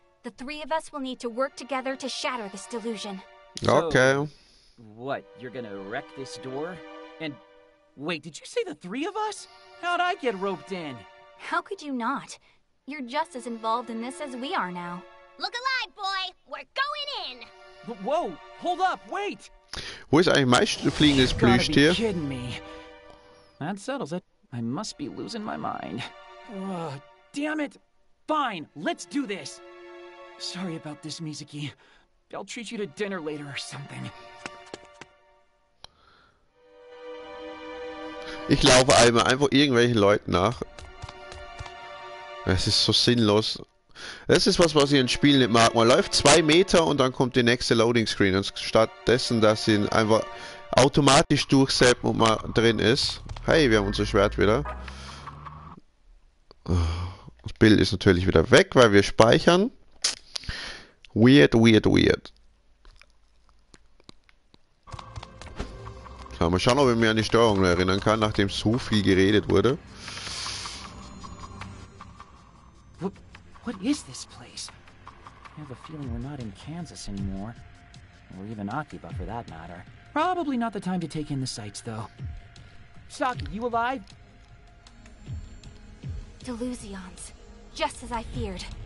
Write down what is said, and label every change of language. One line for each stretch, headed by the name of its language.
English: The three of us will need to work together to shatter this delusion. Okay. So, what, you're gonna wreck this door? And wait, did you say the three of us? How'd I get roped in? How could you not? You're just as involved in this as we are now. Look alive, boy! We're going in! Whoa, hold up, wait!
German: Wo ist eigentlich meistens zu fliegen, das Plüschtier?
English: You're kidding me. That settles it. I must be losing my mind. Damn it! Fine, let's do this! Sorry about this, Mizuki. I'll treat you to dinner later or something.
German: Ich laufe einmal einfach irgendwelchen Leuten nach. Es ist so sinnlos. Das ist was ich in Spielen nicht mag. Man läuft 2 Meter und dann kommt die nächste Loading Screen. Und stattdessen, dass sie ihn einfach automatisch durchsetzt und mal drin ist. Hey, wir haben unser Schwert wieder. Das Bild ist natürlich wieder weg, weil wir speichern.
English: Weird, weird, weird.
German: So, mal schauen, ob ich mich an die Steuerung erinnern kann, nachdem so viel geredet wurde.
English: What is this place? I have a feeling we're not in Kansas anymore. Or even Akiba, for that matter. Probably not the time to take in the sights, though. Saki, you alive? Delusions. Just as I feared.